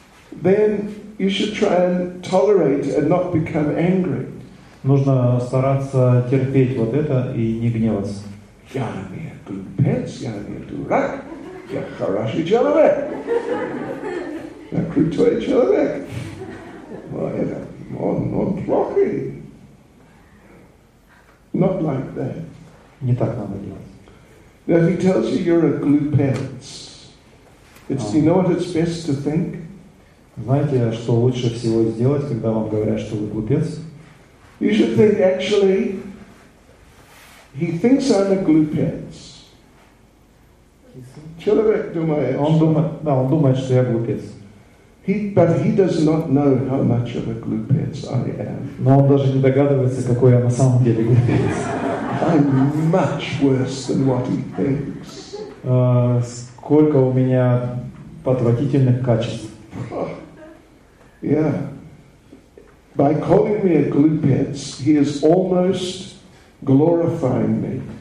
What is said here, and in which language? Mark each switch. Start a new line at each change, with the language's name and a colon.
English: Then you should try and tolerate and not become angry.
Russian: Нужно стараться терпеть вот это и не гневаться. Я не глупец, я не дурак. Я хороший человек. Я крутой человек. Он плохий.
English: Not like that.
Russian: Не так надо делать.
English: Now, if he tells you you're a glupets, you know what it's best to think?
Russian: Знаете, что лучше всего сделать, когда вам говорят, что вы глупец?
English: You should think, actually, he thinks I'm a glupets.
Russian: Человек думает, он думает, что я глупец.
English: But he does not know how much of a glupets I am.
Russian: Но он даже не догадывается, какой я на самом деле глупец.
English: I'm much worse than what he thinks.
Russian: Сколько у меня отвратительных качеств.
English: Yeah. By calling me a glupets, he is almost glorifying me.